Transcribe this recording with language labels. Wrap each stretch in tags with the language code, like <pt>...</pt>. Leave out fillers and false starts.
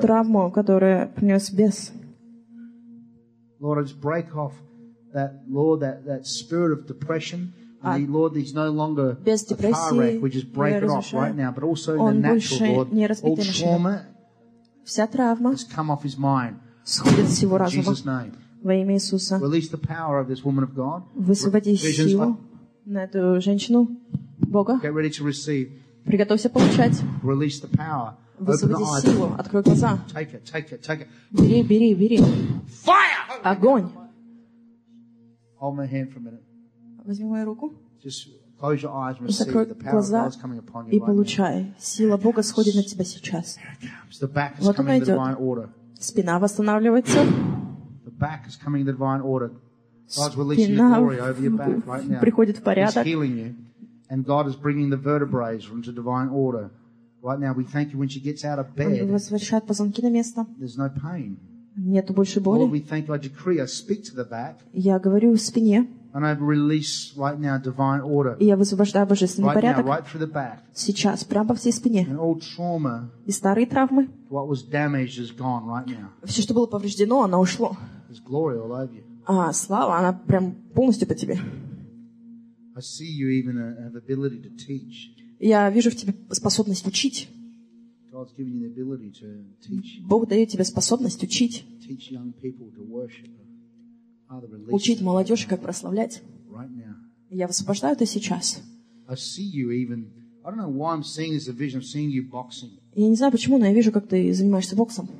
<ru>Травму, которую принес бес.</ru> <en>Lord, I just break off that, Lord, that spirit of depression. And the, Lord, he's no longer a car wreck. We just break it off right now. But also</en> <ru>Он</ru> <en>in the natural, Lord, all trauma</en> <ru>вся травма</ru> <en>has come off his mind.</en> <ru>Сходит с его разума.</ru> <en>In Jesus' name.</en> <ru>Во имя Иисуса.</ru> <en>Release the power of this woman of God.</en> <ru>Высвободи силу на эту женщину Бога.</ru> <en>Get ready to receive.</en> <ru>Приготовься получать.</ru> <en>Release the power.</en> <ru>Высвободи силу. Открой глаза.</ru> <en>Take it, take it, take it.</en> <ru>Бери.</ru> <en>Fire!</en> <ru>Огонь.</ru> <en>Hold my hand for a minute.</en> <ru>Возьми мою руку.</ru> <en>Just Close your eyes and receive the power of God is coming upon you.</en> <ru>И получай. Сила Бога сходит на тебя сейчас.</ru> <en>The back is coming in the divine order.</en> <ru>Спина восстанавливается.</ru> <en>The back is coming in the divine order. God's releasing the glory over your back right now.</en> <ru>Приходит в порядок.</ru> <en>He's healing you. And God is bringing the vertebrae into divine order. Right now we thank you when she gets out of bed.</en> <ru>Он возвращает позвонки на место.</ru> <en>There's no pain.</en> <ru>Нет больше боли.</ru> <en>Lord, we thank you. I decree, I speak to the back.</en> <ru>Я говорю в спине.</ru> <en>And I release right now divine order.</en> <ru>И я высвобождаю божественный порядок.</ru> <en>Right now, right through the back.</en> <ru>Сейчас, прямо по всей спине.</ru> <en>And all trauma.</en> <ru>И старые травмы.</ru> <en>What was damaged is gone right now.</en> <ru>Все, что было повреждено, оно ушло.</ru> <en>There's glory all over you.</en> <ru>А слава, она прям полностью по тебе.</ru> <en>I see you even have ability to teach.</en> <ru>Я вижу в тебе способность учить.</ru> <en>God's giving you the ability to teach.</en> <ru>Бог дает тебе способность учить.</ru> <en>Teach young people to worship.</en> <ru>Учить молодежь, как прославлять. Я высвобождаю это сейчас. Я не знаю почему, но я вижу, как ты занимаешься боксом.</ru>